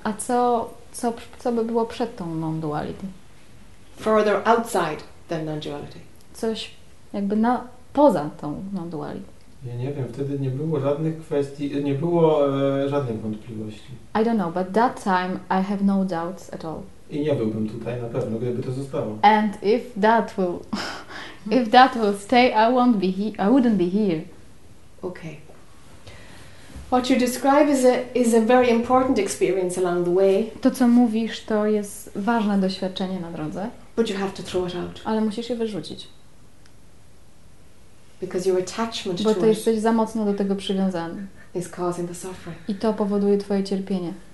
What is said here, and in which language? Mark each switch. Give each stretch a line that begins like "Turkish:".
Polish: A co by było przed tą non-duality?
English: Further outside than non-duality.
Polish: Coś jakby poza tą non-duality. Ja nie wiem, wtedy nie było żadnych kwestii, nie było żadnych wątpliwości.
English: I don't know, but that time I have no doubts at all.
Polish: I nie byłbym tutaj na pewno, gdyby to zostało.
English: And if that will stay, I wouldn't be here. Okay. What you describe is a very important experience along the way.
Polish: To co mówisz, to jest ważne doświadczenie na drodze.
English: But you have to throw it out.
Polish: Ale musisz je wyrzucić.
English: Because your attachment
Polish: bo to jesteś za mocno do tego przywiązany.
English: Is causing the suffering.
Polish: I to powoduje twoje cierpienie.